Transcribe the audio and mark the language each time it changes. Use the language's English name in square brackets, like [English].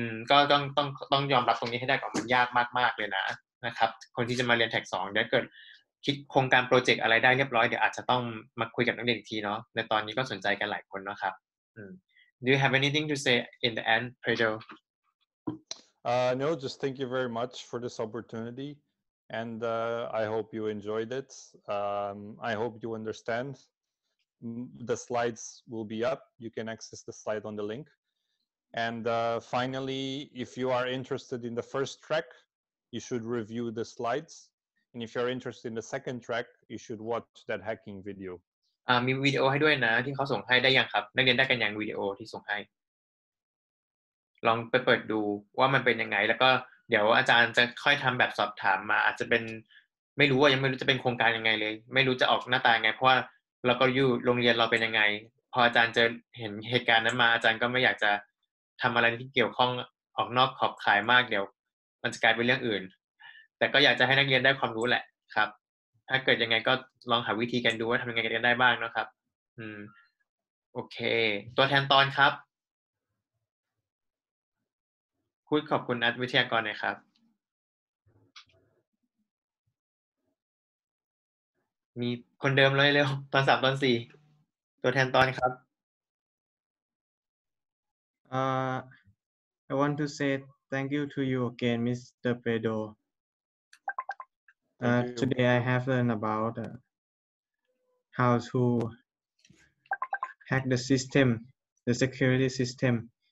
[Thai] ก็ต้องยอมรับตรงนี้ให้ได้ก่อนมันยากมากๆเลยนะครับคนที่จะมาเรียนแท็ก2เดี๋ยวเกิดคิดโครงการโปรเจกต์อะไรได้เรียบร้อยเดี๋ยวอาจจะต้องมาคุยกับนักเรียนอีกทีเนาะในตอนนี้ก็สนใจกันหลายคนนะครับ [English] Do you have anything to say in the end, Pedro? No, just thank you very much for this opportunity and I hope you enjoyed it. I hope you understand. The slides will be up. You can access the slide on the link. And finally, if you are interested in the first track, you should review the slides. And if you're interested in the second track, you should watch that hacking video. [Thai] มีวิดีโอให้ด้วยนะที่เขาส่งให้ได้ยังครับนักเรียนได้กันยังวิดีโอที่ส่งให้ลองไปเปิดดูว่ามันเป็นยังไงแล้วก็เดี๋ยวอาจารย์จะค่อยทำแบบสอบถามมาอาจจะเป็น ไม่รู้ว่ายังไม่รู้จะเป็นโครงการยังไงเลยไม่รู้จะออกหน้าตาไงเพราะว่าเราก็อยู่โรงเรียนเราเป็นยังไงพออาจารย์จะเห็นเหตุการณ์นั้นมาอาจารย์ก็ไม่อยากจะทำอะไรที่เกี่ยวข้องออกนอกขอบข่ายมากเดี๋ยวมันจะกลายเป็นเรื่องอื่น แต่ก็อยากจะให้นักเรียนได้ความรู้แหละครับถ้าเกิดยังไงก็ลองหาวิธีกันดูว่าทำยังไงกันได้บ้างนะครับโอเคตัวแทนตอนครับคุณขอบคุณนักวิทยากรหน่อยครับมีคนเดิมเลยเร็วตอน3ตอน4ตัวแทนตอนครับ [English] I want to say thank you to you again, Mr. Pedro. Today I have learned about how to hack the system, the security system.